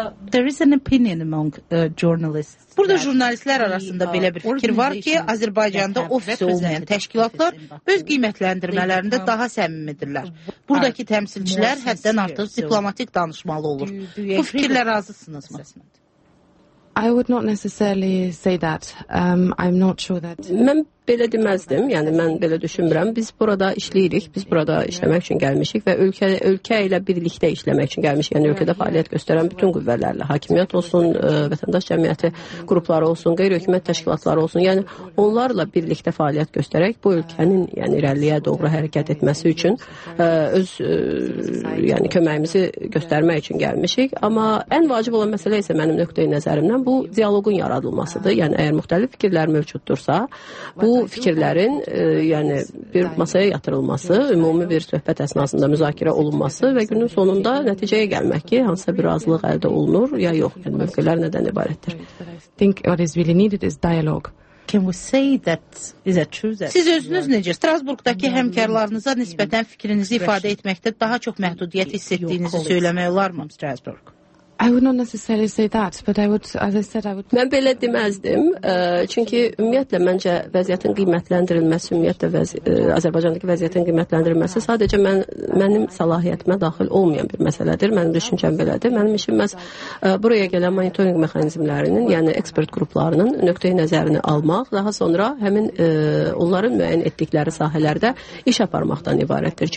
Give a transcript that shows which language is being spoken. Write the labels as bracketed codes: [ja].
[en] There is an opinion among journalists. [az] Burada jurnalistlər arasında belə bir fikir var ki, Azərbaycanda ofisi olmayan təşkilatlar öz qiymətləndirmələrində daha səmimidirlər. Buradakı təmsilçilər həddən artıq diplomatik danışmalı olur. Bu fikirlə razısınızmı? [en] I would not necessarily say that. I'm not sure that. [az] Mən belə deməzdim. Yəni mən belə düşünmürəm. Biz burada işləyirik. Biz burada işləmək üçün gəlmişik və ölkə ilə birlikdə işləmək üçün gəlmişik. Yəni ölkədə fəaliyyət göstərən bütün qüvvələrlə, hakimiyyət olsun, vətəndaş cəmiyyəti qrupları olsun, qeyri-hökumət təşkilatları olsun. Yəni onlarla birlikdə fəaliyyət göstərək bu ölkənin yəni irəliyə doğru hərəkət etməsi üçün öz yəni köməyimizi göstərmək üçün gəlmişik. Amma ən vacib olan məsələ isə mənim nöqteyi nəzərimdən bu dialoqun yaradılmasıdır. Yəni əgər müxtəlif fikirlər mövcuddursa, bu fikirlərin yəni bir masaya yatırılması, ümumi bir söhbət əsnasında müzakirə olunması və günün sonunda nəticəyə gəlmək ki, hansısa bir razılıq əldə olunur ya yox, yəni mövqelər nədən ibarətdir. [en] Think what is really needed is dialogue. Can we say that is a true that? [az] Siz özünüz necə Strasburqdakı həmkarlarınıza nisbətən fikrinizi ifadə etməkdə daha çox məhdudiyyət hissətdiyinizi söyləmək olarmı Strasburq? [en] I would not necessarily say that, but I would, as I said, I would. [az] Mən belə deməzdim, çünki ümumiyyətlə məncə vəziyyətin qiymətləndirilməsi, ümumiyyətlə Azərbaycandakı vəziyyətin qiymətləndirilməsi sadəcə mənim səlahiyyətimə daxil olmayan bir məsələdir. Mənim düşüncəm belədir. Mənim işim məhz buraya gələn monitoring mexanizmlərinin, yəni ekspert qruplarının nöqteyi nəzərini almaq, daha sonra həmin onların müəyyən etdikləri sahələrdə iş aparmaqdan ibarətdir.